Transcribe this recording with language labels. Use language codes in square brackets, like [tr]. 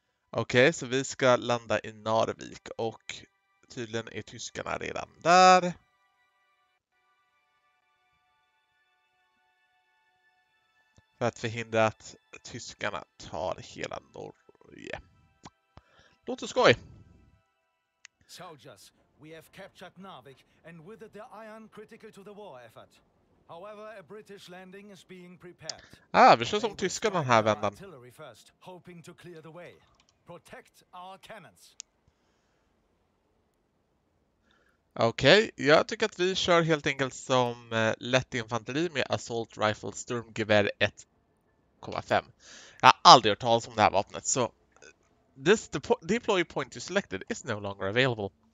[sv] Okej, så vi ska landa i Narvik och tydligen är tyskarna redan där. För att förhindra att tyskarna tar hela Norge. Låter skoj! [en] Soldiers, we have captured Narvik and with it the iron critical to the war effort. However, a British landing is being prepared. [sv] Ah, vi kör som tyskarna den här vändan. [en] Artillery first, hoping to clear the way. Protect our cannons. [sv] Okej, jag tycker att vi kör helt enkelt som lätt infanteri med assault rifle sturmgevär 1,5. Jag har aldrig hört talas om det här vapnet, så [en] this deploy point you selected is no longer available.